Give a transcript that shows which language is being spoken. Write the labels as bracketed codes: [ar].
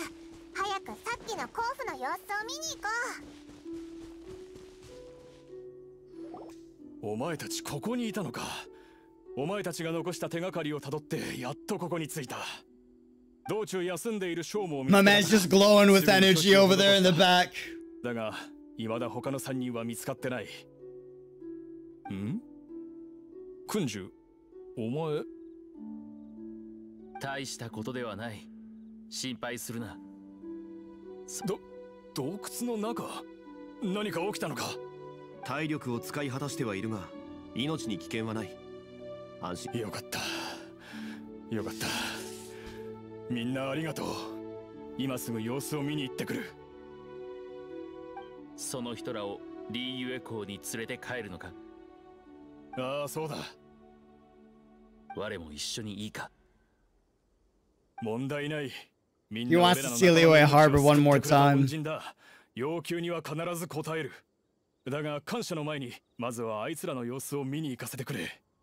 [ja] とにかく早くさっきの甲府の様子を見に行こう。お前たちここにいたのか。お前たちが残した手がかりをたどってやっとここに着いた。道中休んでいるショーモを見た。 [en] My man's just glowing with energy over there in the back. [ja] だが、いまだ他の3人は見つかってない。ん？クンジュ、お前。大したことではない。心配するな。洞窟の中？何か起きたのか？体力を使い果たしてはいるが、命に危険はない。安心。よかった。よかった。みんなありがとう。今すぐ様子を見に行ってくる。その人らをリーユエ校に連れて帰るのか。ああそうだ。我も一緒にいいか。問題ない。みんな。 [en] You want to see Liyue Harbor one more time? [ja] 要求には必ず応える。だが感謝の前にまずはあいつらの様子を見に行かせてくれ。